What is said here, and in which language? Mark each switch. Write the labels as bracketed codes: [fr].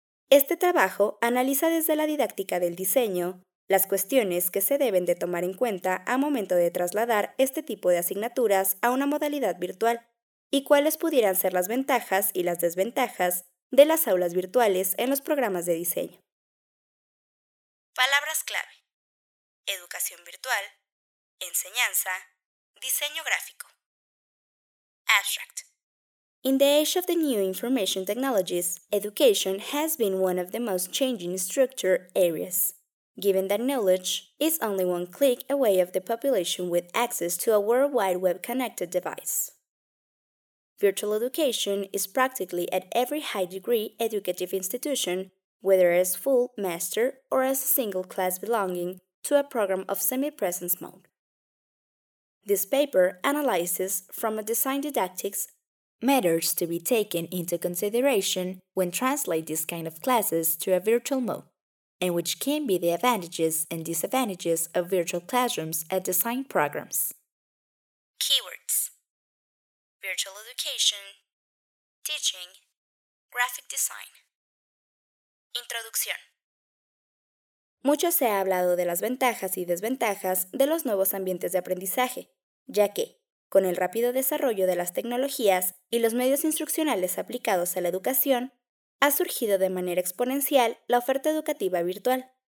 [es] Este trabajo analiza desde la didáctica del diseño las cuestiones que se deben de tomar en cuenta a momento de trasladar este tipo de asignaturas a una modalidad virtual y cuáles pudieran ser las ventajas y las desventajas de las aulas virtuales en los programas de diseño. Palabras clave: educación virtual, enseñanza, diseño gráfico. [en] Abstract. In the age of the new information technologies, education has been one of the most changing structure areas. Given that knowledge is only one click away of the population with access to a worldwide web-connected device. Virtual education is practically at every high-degree educative institution, whether as full, master, or as a single class belonging to a program of semi-presence mode. This paper analyzes from a design didactics matters to be taken into consideration when translate these kind of classes to a virtual mode, and which can be the advantages and disadvantages of virtual classrooms at design programs. Keywords: virtual education, teaching, graphic design. [es] Introducción. Mucho se ha hablado de las ventajas y desventajas de los nuevos ambientes de aprendizaje, ya que, con el rápido desarrollo de las tecnologías y los medios instruccionales aplicados a la educación, ha surgido de manera exponencial la oferta educativa virtual.